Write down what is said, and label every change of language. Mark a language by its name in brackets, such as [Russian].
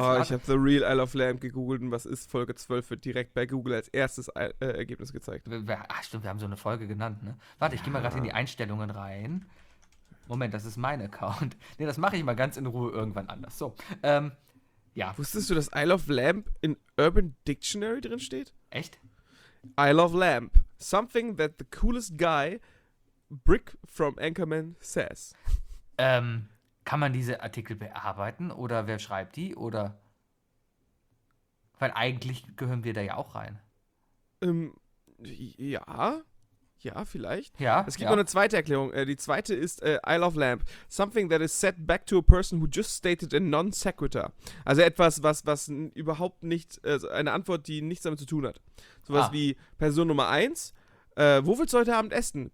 [German] Oh, ich habe The Real Isle of Lamb gegoogelt und was ist? Folge 12 wird direkt bei Google als erstes Ergebnis gezeigt. Ach stimmt, wir haben so eine Folge genannt, ne? Warte, ich gehe mal gerade in die Einstellungen rein. Moment, das ist mein Account. Ne, das mache ich mal ganz in Ruhe irgendwann anders. So, ja. Wusstest du, dass Isle of Lamb in Urban Dictionary drin steht? Echt? Isle of Lamb. [English] Something that the coolest guy, Brick from Anchorman, says. [German] Kann man diese Artikel bearbeiten? Oder wer schreibt die? Oder? Weil eigentlich gehören wir da ja auch rein. Ja. Ja, vielleicht. Ja, es gibt noch eine zweite Erklärung. Die zweite ist Isle of Lamb. [English] Something that is said back to a person who just stated a non sequitur. [German] Also etwas, was überhaupt nicht, eine Antwort, die nichts damit zu tun hat. Sowas wie Person Nummer 1, wo willst du heute Abend essen?